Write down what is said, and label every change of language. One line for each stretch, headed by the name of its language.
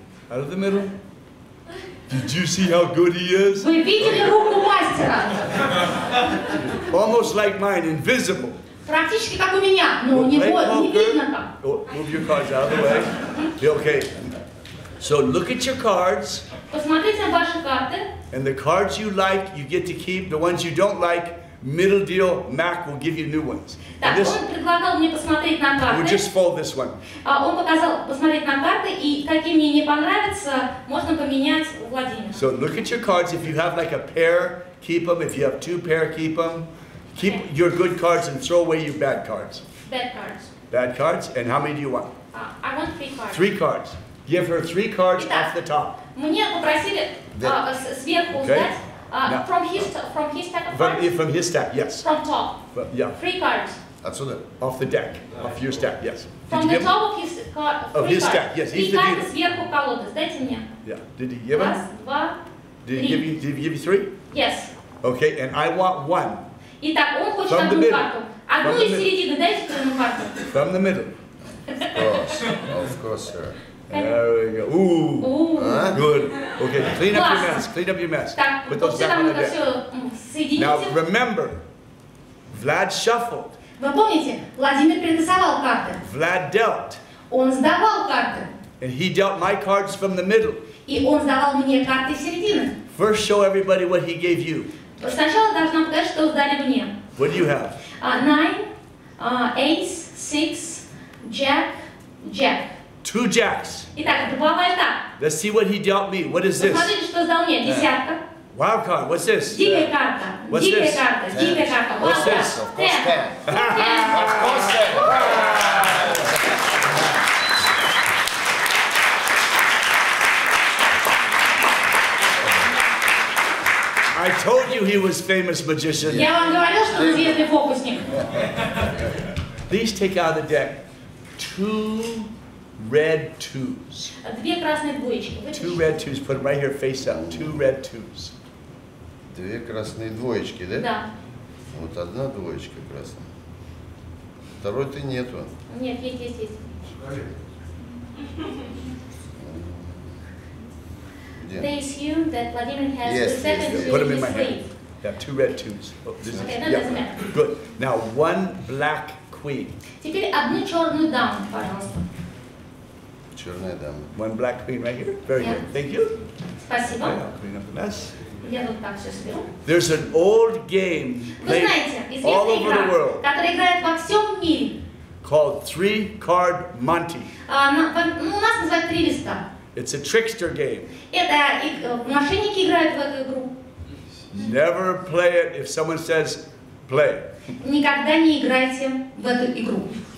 English: Out of the middle. Did you see how good he is?
Russian: Вы видели руку мастера?
English: Almost like mine, invisible.
Russian: Практически как у меня, но у него не видно там.
English: Move your cards out of the way. Okay. So look at your cards.
Russian: Посмотрите на ваши карты.
English: And the cards you like, you get to keep. The ones you don't like, Middle Deal Mac will give you new ones.
Russian: Так,
English: this,
Russian: он предлагал мне посмотреть на карты.
English: We'll just fold this one.
Russian: Он показал посмотреть на карты, и какие мне не понравятся, можно поменять у Владимира.
English: So look at your cards. If you have like a pair, keep them. If you have 2 pair, keep them. Keep okay. Your good cards and throw away your bad cards. Bad cards. Bad cards. And how many do you want? I want 3 cards. 3 cards. Give her 3 cards.
Russian: Итак,
English: off the top.
Russian: Мне попросили сверху
English: okay.
Russian: Сдать.
English: Now, from his stack, yes. From top. But, yeah. 3 cards. Absolutely. Off the deck. Off your stack, yes. From the top of his card. Of his stack, yes. He's the dealer.
Russian: Сверху колоды. Сдайте мне.
English: Yeah. Did he give us? Did he give you 3? Yes. Okay, and I want 1.
Russian: Итак, он хочет
English: from
Russian: одну карту. Одну из середины, дайте вторую карту.
English: From the middle. Of course, sir. There we go. Ooh. Good. Okay, clean up your mess.
Russian: Так,
English: put those back on the deck. Now remember, Vlad shuffled.
Russian: Вы помните, Владимир перетасовал карты.
English: Vlad dealt.
Russian: Он сдавал карты.
English: And he dealt my cards from the middle.
Russian: И он сдавал мне карты середины.
English: First show everybody what he gave you.
Russian: Сначала должна показать, что сдали мне.
English: What do you have? 9, 8, 6, jack. 2 jacks.
Russian: Итак, два вальта.
English: Let's see what he dealt me. What is this?
Russian: Посмотрите, что сдал мне. Десятка.
English: Wild card. What's this?
Russian: Дикая карта. Дикая карта.
English: What's this? Of course, 10. Of course, 10. I told you he was famous magician.
Russian: Я вам говорил, что он известный фокусник.
English: Please take out of the deck 2 red 2s.
Russian: Две красные двоечки.
English: 2 red 2s. Put them right here face up. 2 red 2s.
Russian: Две красные двоечки, да? Да. Вот одна двоечка красная. Второй ты нету. Нет, есть.
English: Yeah. They assume that Vladimir has two sevens. Put them in my hand. Yeah, two red twos. Oh, this okay, is, that doesn't matter. Good. Now, one black queen.
Russian: Теперь одну черную даму, пожалуйста. Черная дама.
English: One black queen right here. Very good. Thank you.
Russian: Спасибо.
English: I'll clean up the mess.
Russian: Я тут так все сберу.
English: There's an old game played all over the world.
Russian: Вы знаете, известная игра, которая играет во всем мире.
English: Called Three Card Monty.
Russian: Ну, у нас называют три листа.
English: It's a trickster game.
Russian: Это мошенники играют в эту игру.
English: Never play it if someone says play.
Russian: Никогда не играйте в эту игру.